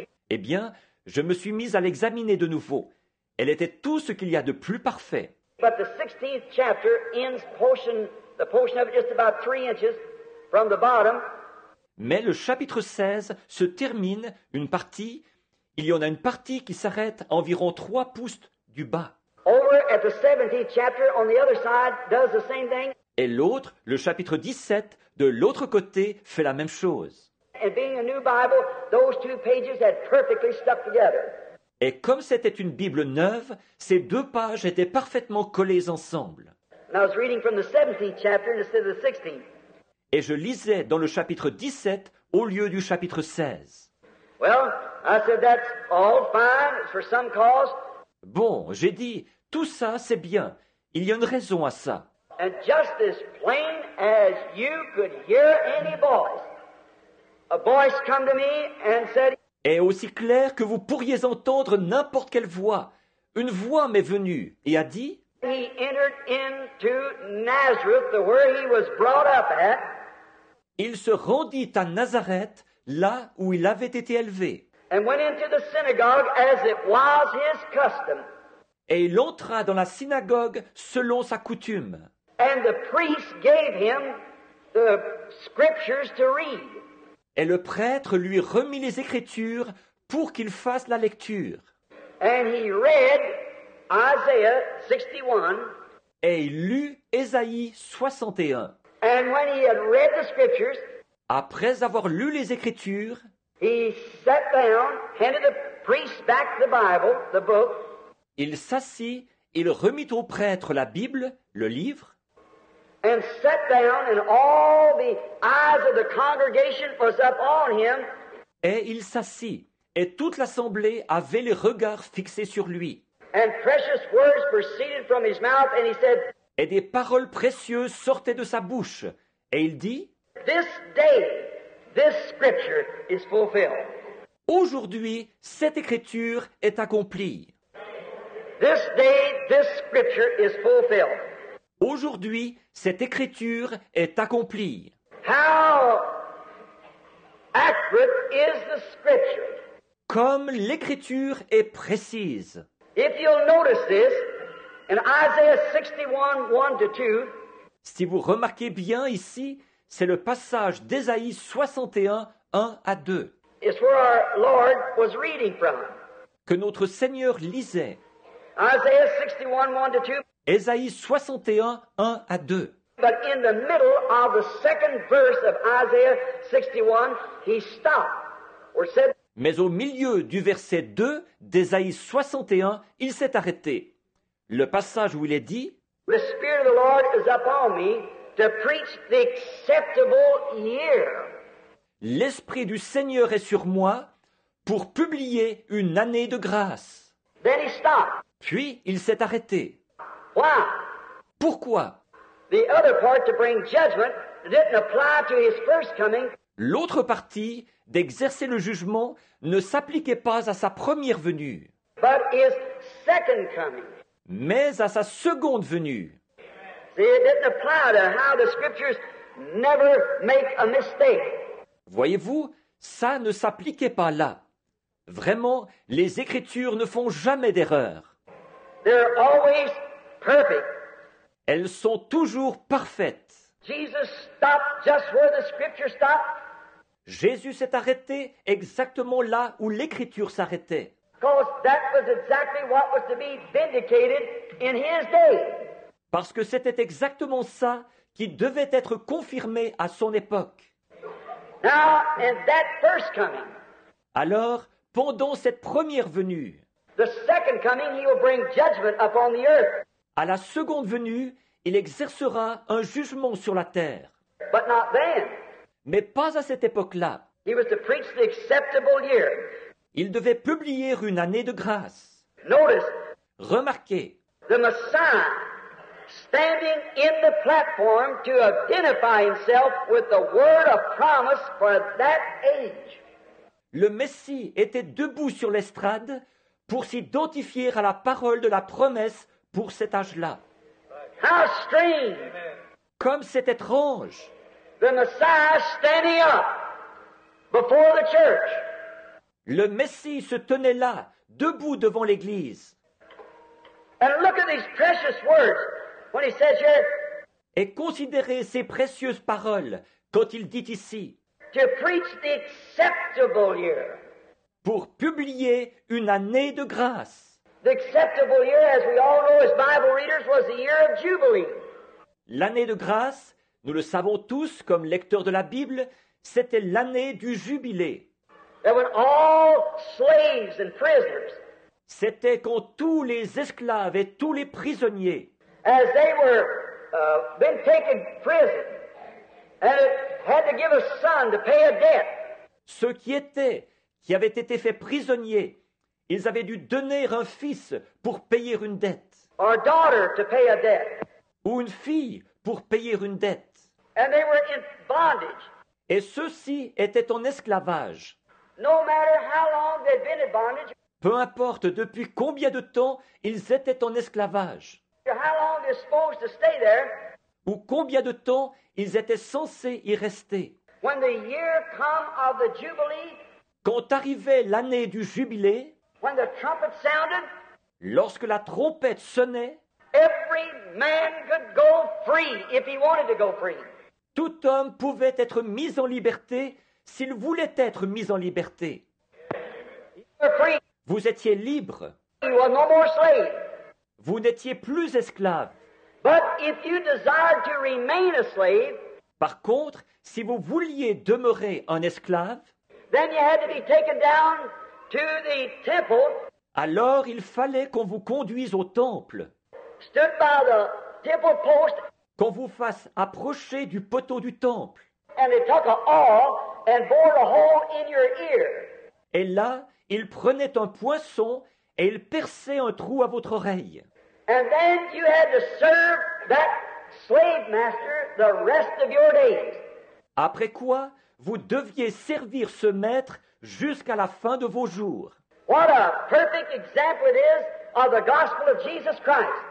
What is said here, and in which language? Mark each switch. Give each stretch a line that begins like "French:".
French: Eh bien, je me suis mis à l'examiner de nouveau. Elle était tout ce qu'il y a de plus parfait.
English: But the 16th chapter ends the portion of it just about 3 inches from the bottom.
French: Mais le chapitre 16 se termine une partie. Il y en a une partie qui s'arrête à environ 3 pouces du bas.
English: Over at the 17th chapter, on the other side, does the same thing.
French: Et l'autre, le chapitre 17, de l'autre côté, fait la même chose.
English: And being a new Bible, those two pages had perfectly stuck together.
French: Et comme c'était une Bible neuve, ces deux pages étaient parfaitement collées ensemble.
English: And I was reading from the 17th chapter instead of the 16th.
French: Et je lisais dans le chapitre 17 au lieu du chapitre 16.
English: Well, I said, that's all fine for some cause.
French: Bon, j'ai dit, tout ça, c'est bien. Il y a une raison à ça.
English: And just as plain as you could hear any voice, a voice come to me and said,
French: et aussi clair que vous pourriez entendre n'importe quelle voix. Une voix m'est venue et a dit,
English: he entered into Nazareth, where he was brought up at.
French: Il se rendit à Nazareth, là où il avait été élevé.
English: And went into the synagogue as it was his custom.
French: Et il entra dans la synagogue selon sa coutume.
English: And the priest gave him the scriptures to read.
French: Et le prêtre lui remit les écritures pour qu'il fasse la lecture.
English: And he read Isaiah 61.
French: Et il lut Ésaïe 61.
English: And when he had read the scriptures,
French: après avoir lu les écritures,
English: he sat down, handed the priest back the Bible, the book.
French: Il s'assit, il remit au prêtre la Bible, le livre.
English: And sat down, and all the eyes of the congregation was up on him.
French: Et il s'assit, et toute l'assemblée avait les regards fixés sur lui.
English: And precious words proceeded from his mouth, and he said,
French: et des paroles précieuses sortaient de sa bouche, et il dit,
English: this day, this scripture is fulfilled.
French: Aujourd'hui, cette écriture est accomplie.
English: This day, this scripture is fulfilled.
French: Aujourd'hui, cette écriture est accomplie.
English: How accurate is the scripture?
French: Comme l'écriture est précise.
English: If you'll notice this, in Isaiah 61, 1-2,
French: si vous remarquez bien ici, c'est le passage d'Ésaïe 61, 1 à 2.
English: It's where our Lord was reading from.
French: Que notre Seigneur lisait.
English: Isaiah 61, 1-2.
French: Ésaïe 61, 1 à 2.
English: But in the middle of the second verse of Isaiah 61, he stopped.
French: Mais au milieu du verset 2 d'Ésaïe 61, il s'est arrêté. Le passage où il est dit,
English: The Spirit of the Lord is upon me to preach the acceptable year.
French: L'Esprit du Seigneur est sur moi pour publier une année de grâce.
English: Then he stopped.
French: Puis il s'est arrêté.
English: Why?
French: Pourquoi?
English: The other part to bring judgment didn't apply to his first coming.
French: L'autre partie d'exercer le jugement ne s'appliquait pas à sa première venue,
English: but his second coming.
French: Mais à sa seconde venue.
English: See, it didn't apply to how the scriptures never make a mistake.
French: Voyez-vous, ça ne s'appliquait pas là. Vraiment, les Écritures ne font jamais d'erreur.
English: They're always perfect.
French: Elles sont toujours parfaites.
English: Jesus stopped just where the scripture stopped.
French: Jésus s'est arrêté exactement là où l'Écriture s'arrêtait.
English: Because that was exactly what was to be vindicated in his day.
French: Parce que c'était exactement ça qui devait être confirmé à son époque.
English: Now, in that first coming,
French: alors, pendant cette première venue,
English: the second coming, he will bring judgment upon the earth.
French: À la seconde venue, il exercera un jugement sur la terre.
English: But not then.
French: Mais pas à cette époque-là.
English: He was to preach the acceptable year.
French: Il devait publier une année de grâce.
English: Notice,
French: remarquez,
English: the Messiah standing in the platform to identify himself with the word of promise for that age.
French: Le Messie était debout sur l'estrade pour s'identifier à la parole de la promesse pour cet âge-là.
English: How strange!
French: Comme c'est étrange!
English: The Messiah standing up before the church.
French: Le Messie se tenait là, debout devant l'Église.
English: And look at these precious words. When he says here,
French: et considérez ces précieuses paroles quand il dit ici,
English: to preach the acceptable year,
French: pour publier une année de grâce.
English: The acceptable year, as we all know as Bible readers, was the year of Jubilee.
French: L'année de grâce, nous le savons tous comme lecteurs de la Bible, c'était l'année du jubilé.
English: That when all slaves and prisoners,
French: c'était quand tous les esclaves et tous les prisonniers,
English: as they were been taken prison and had to give a son to pay a debt.
French: Ceux qui avaient été faits prisonniers, ils avaient dû donner un fils pour payer une dette.
English: Or a daughter to pay a debt.
French: Ou une fille pour payer une dette.
English: And they were in bondage.
French: Et ceux-ci étaient en esclavage.
English: No matter how long they'd been in bondage.
French: Peu importe depuis combien de temps ils étaient en esclavage.
English: How long they're supposed to stay there,
French: ou combien de temps ils étaient censés y rester.
English: When the year come of the jubilee,
French: quand arrivait l'année du jubilé,
English: when the trumpet sounded,
French: lorsque la trompette sonnait,
English: every man could go free if he wanted to go free.
French: Tout homme pouvait être mis en liberté s'il voulait être mis en liberté.
English: Free.
French: Vous étiez libre.
English: You were no more slave.
French: Vous n'étiez plus esclave.
English: But if you desired to remain a slave,
French: par contre, si vous vouliez demeurer un esclave,
English: then you had to be taken down to the temple,
French: alors il fallait qu'on vous conduise au temple,
English: stood by the temple post,
French: qu'on vous fasse approcher du poteau du temple.
English: And they took an awl and bore a hole in your ear.
French: Et là, il prenait un poinçon et il perçait un trou à votre oreille.
English: And then you had to serve that slave master the rest of your days.
French: Après quoi, vous deviez servir ce maître jusqu'à la fin de vos jours.
English: What a perfect example it is of the gospel of Jesus Christ.